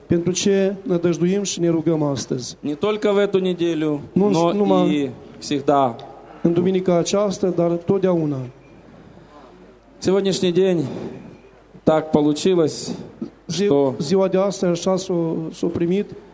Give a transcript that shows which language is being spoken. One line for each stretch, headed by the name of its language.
Romanian: Pentru ce nădăjduim și ne rugăm astăzi?
Russian: Не только в эту неделю, но и всегда.
Romanian: În duminica aceasta, dar totdeauna.
Russian: Сегодняшний день так получилось, что
Romanian: ziua de astăzi, așa s-o primit,